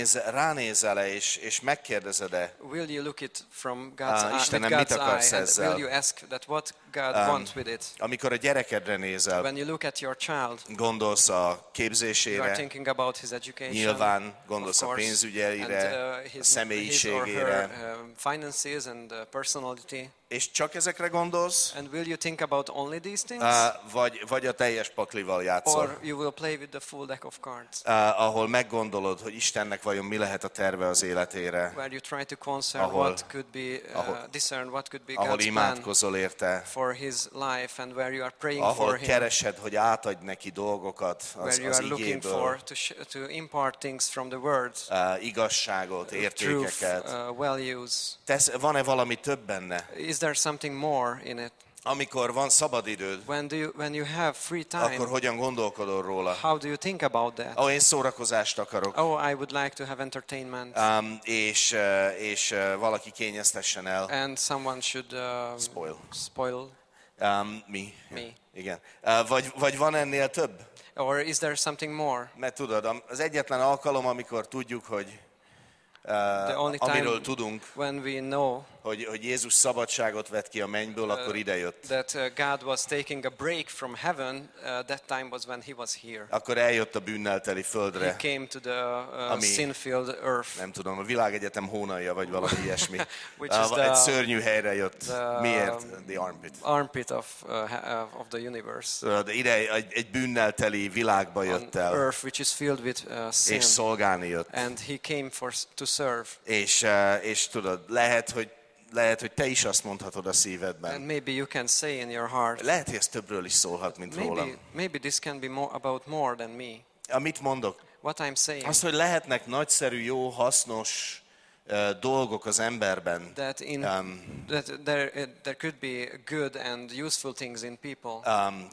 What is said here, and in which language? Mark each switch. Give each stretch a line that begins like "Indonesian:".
Hungarian: Ránézel-e és megkérdezed-e?
English: Will you look it from God's eye?
Hungarian: Istenem, mit akarsz ezzel?
English: Will you ask that what God wants with it?
Hungarian: Amikor a gyerekedre nézel.
English: When you look at your child.
Hungarian: Gondolsz a képzésére.
English: You are thinking about his education.
Hungarian: Nyilván gondolsz a pénzügyeire, a személyiségére.
English: Her finances and personality.
Hungarian: És csak ezekre gondolsz?
English: And will you think about only these things?
Hungarian: Vagy a teljes paklival játszol?
English: Or you will play with the full deck of cards.
Hungarian: Ahol meggondolod, hogy Istennek vajon mi lehet a terve az életére?
English: Where you try to concern what could be discern what could be God's plan.
Hungarian: Ahol imádkozol érte?
English: For his life and where you are praying
Hungarian: ahol
English: for
Hungarian: keresed,
English: him.
Hungarian: Hogy átadj neki dolgokat az igéből.
English: Where you are looking for to impart things from the word.
Hungarian: Igazságot, értékeket.
English: Truth, values.
Hungarian: Van-e valami több benne?
English: Is there something more in it?
Hungarian: Amikor van szabad időd,
English: when you have free time,
Hungarian: akkor hogyan gondolkodol róla?
English: How do you think about that?
Hungarian: Oh, én szórakozást akarok.
English: Oh, I would like to have entertainment.
Hungarian: És valaki kényeztessen el.
English: And someone should spoil. Me.
Hungarian: Igen. Vagy van ennél több?
English: Or is there something more?
Hungarian: Mert tudod, az egyetlen alkalom, amikor tudjuk, hogy amiről tudunk,
English: when we know
Hungarian: hogy Jézus szabadságot vett ki a mennyből, akkor idejött.
English: That God was taking a break from heaven, that time was when he was here.
Hungarian: Akkor eljött a bűnnel teli földre.
English: He came to the sin-filled earth.
Hungarian: Nem tudom, a világegyetem hónalja vagy valami ilyesmi. Egy szörnyű helyre jött. Miért?
English: The armpit. Armpit of the universe.
Hungarian: De ide egy bűnnel teli világba jött el.
English: Earth which is filled with sin.
Hungarian: És szolgálni jött.
English: And he came to serve.
Hungarian: És tudod, lehet, hogy te is azt mondhatod a szívedben.
English: And maybe you can say in your heart.
Hungarian: Lehet, hogy ez többről is szólhat, mint rólam.
English: Maybe this can be more about more than me.
Hungarian: Amit mondok?
English: What I'm saying.
Hungarian: Azt, hogy lehetnek nagyszerű, jó, hasznos dolgok az emberben.
English: That there could be good and useful things in people.